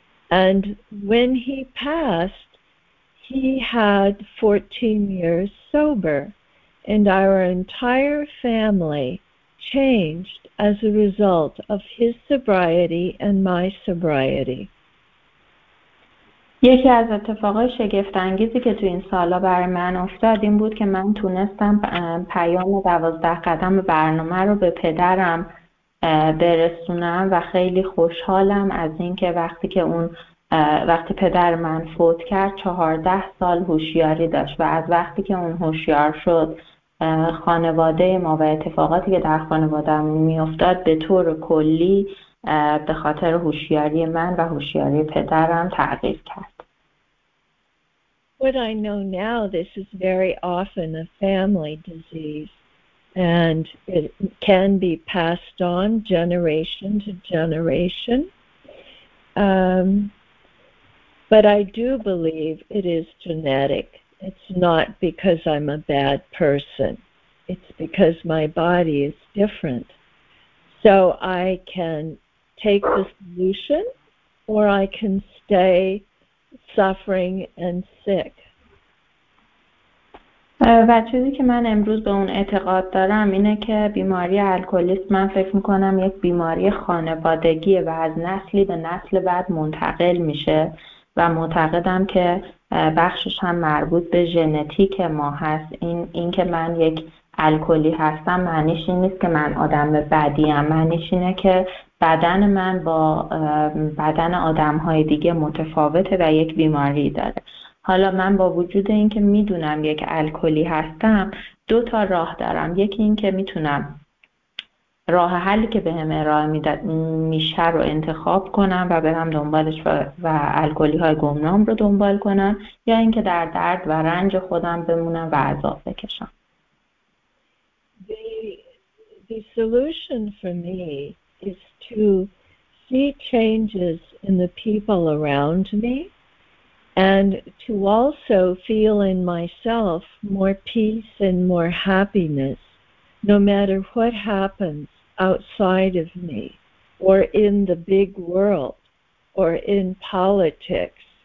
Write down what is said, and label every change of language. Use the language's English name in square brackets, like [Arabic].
[English] And when he passed, he had 14 years sober, and our entire family changed as a result of his sobriety and my sobriety. [Persian] یکی از اتفاقای شگفت انگیزی که تو این سالا برای من افتاد این بود که من تونستم پیام 12 قدم برنامه رو به پدرم برسونم و خیلی خوشحالم از اینکه وقتی که اون وقتی پدر من فوت کرد 14 سال هوشیاری داشت و از وقتی که اون هوشیار شد خانواده ما و اتفاقاتی که در خانواده میافتاد به طور کلی به خاطر هوشیاری من و هوشیاری پدرم تغییر کرد. [English] What I know now, this is very often a family disease, and it can be passed on generation to generation. But I do believe it is genetic. It's not because I'm a bad person. It's because my body is different. So I can take the solution, or I can stay suffering and sick. [Persian] و چیزی که من امروز به اون اعتقاد دارم اینه که بیماری الکلیسم من فکر میکنم یک بیماری خانوادگیه و از نسلی به نسل بعد منتقل میشه و معتقدم که بخشش هم مربوط به ژنتیک ما هست. این که من یک الکلی هستم معنیش این نیست که من آدم بدیم، معنیش اینه که بدن من با بدن آدم های دیگه متفاوته و یک بیماری داره. حالا من با وجود اینکه میدونم یک الکلی هستم دو تا راه دارم. یکی این که میتونم راه حلی که به هم ارائه میشه رو انتخاب کنم و برم دنبالش و الکلی های گمنام رو دنبال کنم، یا اینکه در درد و رنج خودم بمونم و عذاب بکشم. [English] The solution for me is to see changes in the people around me and to also feel in myself more peace and more happiness no matter what happens outside of me or in the big world or in politics,